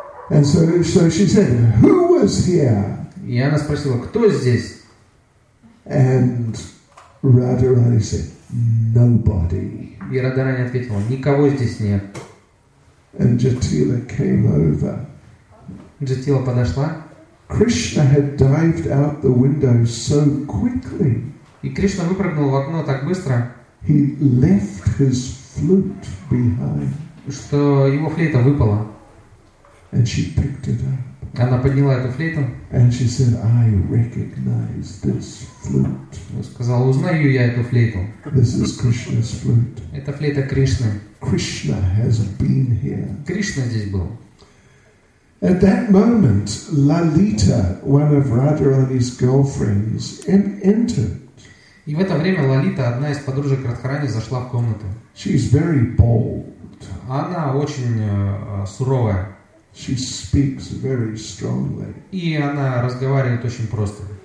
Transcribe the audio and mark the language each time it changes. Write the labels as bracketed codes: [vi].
[en] And so she said, "Who was here?" [ru] И она спросила, кто здесь? [en] And Radharani said, "Nobody." [ru] И Радхарани ответила, никого здесь нет. [en] And Jatila came over. [ru] Jatila подошла. [en] Krishna had dived out the window so quickly. [ru] И Кришна выпрыгнул в окно так быстро. [en] He left his flute behind. [ru] Что его флейта выпала. [en] And she picked it up. [ru] Она подняла эту флейту. [en] And she said, "I recognize this flute." [ru] Сказала, узнаю я эту флейту. [en] This is Krishna's flute. [ru] Это флейта Кришны. [en] Krishna has been here. [ru] Кришна здесь был. [en] At that moment, Lalita, one of Radharani's girlfriends, entered. [ru] И в это время Лалита, одна из подружек Радхарани, зашла в комнату. [en] She's very bold. [ru] Она очень суровая. [en] She speaks very strongly. [ru] И она разговаривает очень просто.